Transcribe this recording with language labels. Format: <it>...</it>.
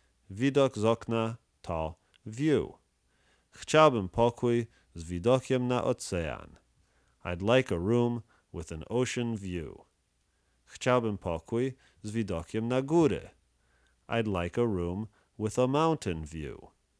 <pl>Widok z okna to view. Chciałbym pokój z widokiem na ocean.</pl> <en>I'd like a room with an ocean view.</en> <pl>Chciałbym pokój z widokiem na góry.</pl> <en>I'd like a room with a mountain view.</en>